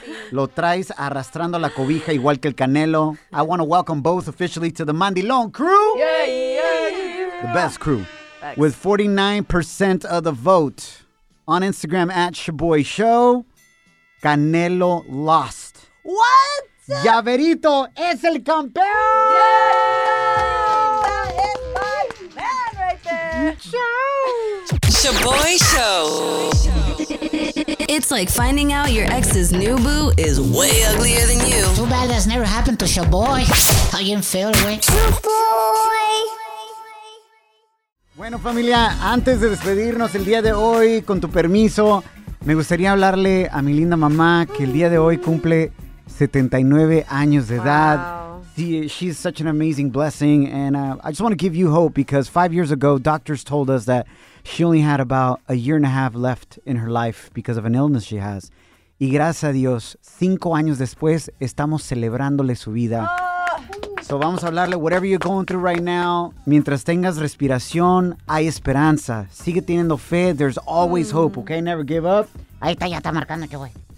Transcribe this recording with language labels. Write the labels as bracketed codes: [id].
[es] Lo traes arrastrando la cobija igual que el Canelo. [en] I want to welcome both officially to the Mandilón crew. Yeah. The best crew. Thanks. With 49% of the vote on Instagram at Shaboy Show, Canelo lost. What? [es] Llaverito es el campeón. [en] Yeah, that is my man right there. [it] Ciao. [en] Shaboy Show. It's like finding out your ex's new boo is way uglier than you. Too bad that's never happened to Shaboy. How you feel, boy? Shaboy. [es] Bueno, familia, antes de despedirnos el día de hoy, con tu permiso, me gustaría hablarle a mi linda mamá que el día de hoy cumple 79 años de edad. [en] Wow. She's such an amazing blessing. And I just want to give you hope because 5 years ago, doctors told us that she only had about a year and a half left in her life because of an illness she has. [es] Y gracias a Dios, 5 años después, estamos celebrándole su vida. [en] So [es] vamos a hablarle [en] whatever you're going through right now. [es] Mientras tengas respiración, hay esperanza. Sigue teniendo fe. [en] There's always hope, okay? Never give up. [es] Ahí está, ya está marcando, yo voy.